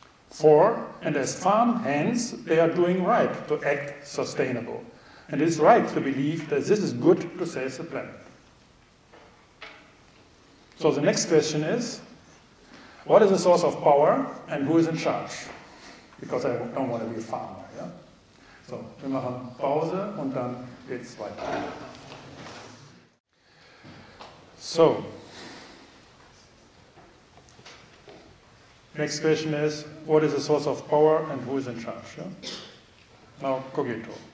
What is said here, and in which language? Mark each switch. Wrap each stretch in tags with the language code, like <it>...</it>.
<en>Four, and as farm hands, they are doing right to act sustainable. And it is right to believe that this is good to save the planet. So the next question is, what is the source of power and who is in charge? Because I don't want to be a farmer, yeah?</en> <de>So, wir machen Pause und dann geht's weiter.</de> <en>So, next question is, what is the source of power and who is in charge? Yeah? Now, cogito.</en>